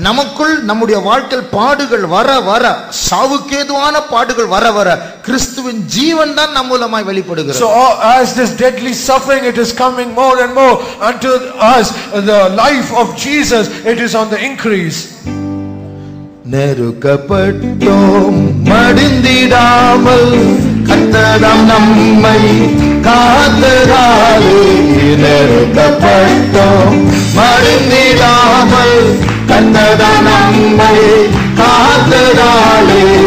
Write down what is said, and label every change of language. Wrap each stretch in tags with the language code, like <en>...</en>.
<ta>நமக்குள் நம்முடைய வாழ்க்கையில் பாடுகள் வர வர, சாவுக்கேதுவான பாடுகள் வர வர, கிறிஸ்துவின் ஜீவன் தான் நம்மூலமாய் வெளிப்படுகிறது.</ta> <en>So as this deadly suffering it is coming more and more unto us, the life of Jesus, it is on the increase.</en> <ta>நெருக்கப்பட்டோம் மடிந்திடாமல் கர்த்தரம் நம்மை காத்தராலே. நெருக்கப்பட்டோம் மடிந்திடாமல் கர்த்தரம் நம்மை காத்தராலே.</ta>